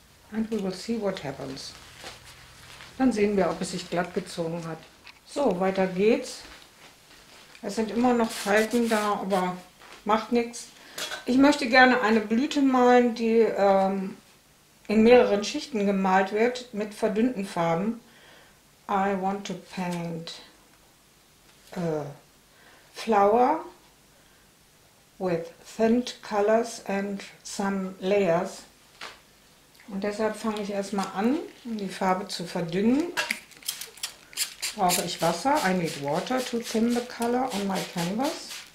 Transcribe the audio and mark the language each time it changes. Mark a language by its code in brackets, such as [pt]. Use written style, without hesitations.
[en] And we will see what happens. [de] Dann sehen wir, ob es sich glatt gezogen hat. So, weiter geht's. Es sind immer noch Falten da, aber macht nichts. Ich möchte gerne eine Blüte malen, die in mehreren Schichten gemalt wird, mit verdünnten Farben. [en] I want to paint a flower with thinned colors and some layers. [de] Und deshalb fange ich erstmal an, um die Farbe zu verdünnen. Brauche ich Wasser. [en] I need water to thin the color on my canvas.